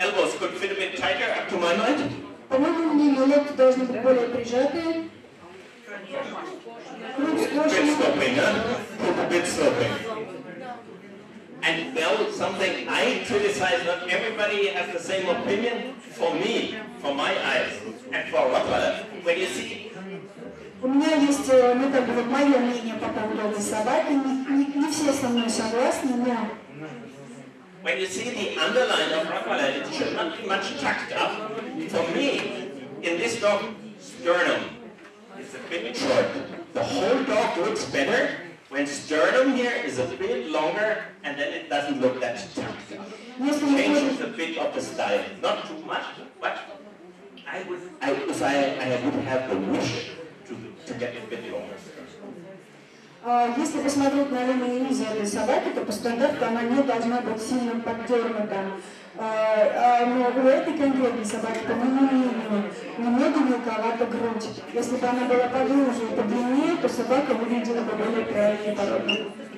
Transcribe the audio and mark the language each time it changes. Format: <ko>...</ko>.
<en>Elbows could fit a bit tighter, up to my mind. Bit sloping. And well, something I criticize, not everybody has the same opinion. For me, for my eyes, and for ROTTWEILER, when you see.</en> <ru>У меня есть, ну как бы, мое мнение по поводу этой собаки. Не все со мной согласны, но.</ru> <en>When you see the underline of ROTTWEILER, it should not be much tucked up. For me, in this dog, sternum. It's a bit short. The whole dog looks better when sternum here is a bit longer and then it doesn't look that tough. Changes a bit of the style. Not too much, but I would have the wish to get a bit longer.</en> <ru>Если посмотреть на линию этой собаки, то по стандарту она не должна быть сильно подтянута. Но у этой конкретной собаки, по моему мнению, немного мелковато грудь. Если бы она была подлиннее и подлиннее, то собака выглядела бы более правильной породой.</ru>